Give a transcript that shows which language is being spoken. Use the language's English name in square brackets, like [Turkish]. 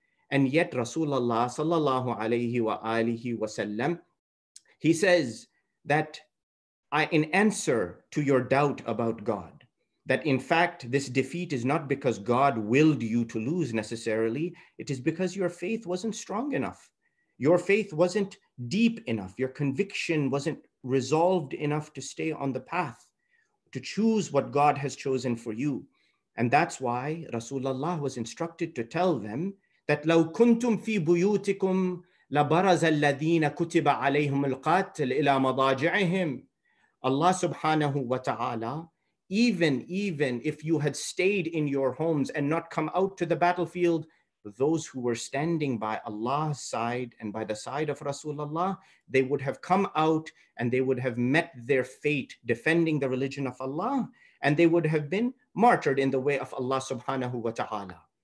[English] And yet Rasulullah sallallahu alayhi wa alihi wa sallam, he says that in answer to your doubt about God, that in fact, this defeat is not because God willed you to lose necessarily. It is because your faith wasn't strong enough. Your faith wasn't deep enough. Your conviction wasn't resolved enough to stay on the path, to choose what God has chosen for you. And that's why Rasulullah was instructed to tell them that [Arabic] لو كنتم في بيوتكم لبرز الذين كتب عليهم القاتل إلى مضاجعهم. [English] Allah subhanahu wa ta'ala, even if you had stayed in your homes and not come out to the battlefield, those who were standing by Allah's side and by the side of Rasulullah, they would have come out and they would have met their fate defending the religion of Allah, and they would have been martyred in the way of Allah subhanahu wa ta'ala.